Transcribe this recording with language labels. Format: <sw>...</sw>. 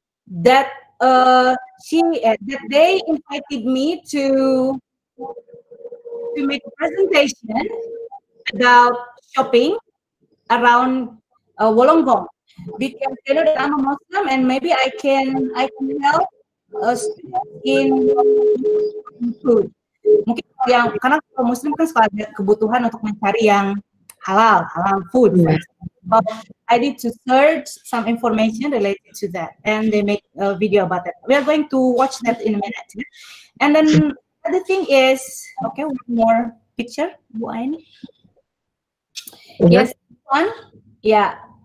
<en>That that they invited me to make a presentation about shopping around Wollongong. Because they know that I'm a Muslim, and maybe I can help in food.</en> <id>Mungkin yang karena kalau Muslim kan suka ada kebutuhan untuk mencari yang halal food.</id> <en>But I need to search some information related to that, and they make a video about that. We are going to watch that in a minute. And then other thing is, okay, one more picture. Bu Aini. Yes, one. Yeah.</en>